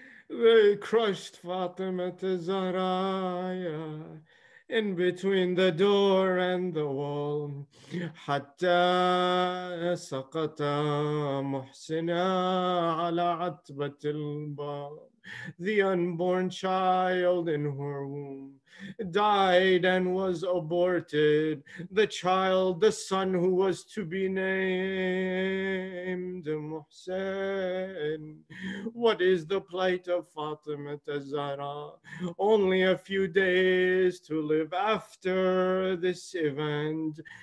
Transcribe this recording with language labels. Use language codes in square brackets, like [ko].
[en] They crushed Fatima Zahra in between the door and the wall. [ar] حتى سقط محسنا على عتبة الباب. [en] The unborn child in her womb died and was aborted. The child, the son who was to be named Muhsin. What is the plight of Fatima Zahra? Only a few days to live after this event.